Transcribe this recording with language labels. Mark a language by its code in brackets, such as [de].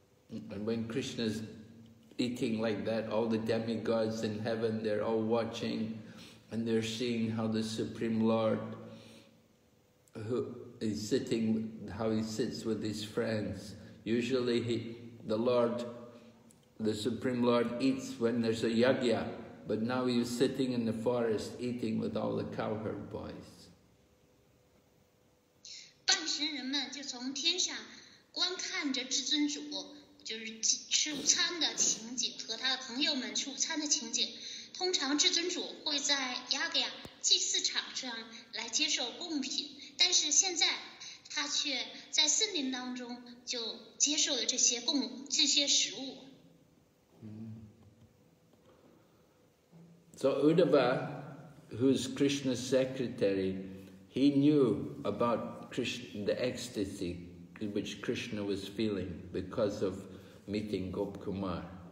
[en] And when Krishna's eating like that, all the demigods in heaven, they're all watching, and they're seeing how the Supreme Lord, who is sitting, how he sits with his friends. Usually, the Supreme Lord eats when there's a yajna, but now he's sitting in the forest eating with all the cowherd boys. [zh] 人们就从天上观看着至尊主就是吃午餐的情景和他的朋友们吃午餐的情景。通常至尊主会在雅各亚祭祀场上来接受贡品，但是现在他却在森林当中就接受了这些食物。 [en] So Uddhava, who's Krishna's secretary, he knew aboutThe ecstasy which Krishna was feeling because of meeting Gopkumar.